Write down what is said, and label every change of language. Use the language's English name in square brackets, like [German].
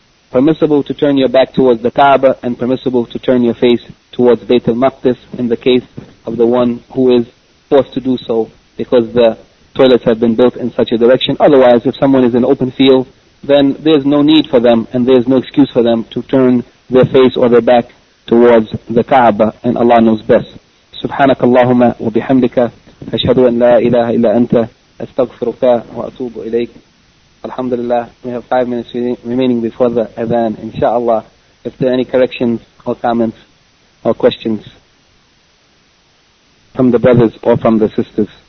[English] Permissible to turn your back towards the Kaaba and permissible to turn your face towards Bayt al-Maqdis in the case of the one who is forced to do so because the toilets have been built in such a direction. Otherwise, if someone is in open field, then there's no need for them and there's no excuse for them to turn their face or their back towards the Kaaba, and Allah knows best. [Arabic] سبحانك اللهم وبحمدك أشهد أن لا إله إلا أنت أستغفرك وأتوب إليك الحمد لله. [English] We have 5 minutes remaining before the Adhan. Inshallah, if there are any corrections or comments or questions from the brothers or from the sisters.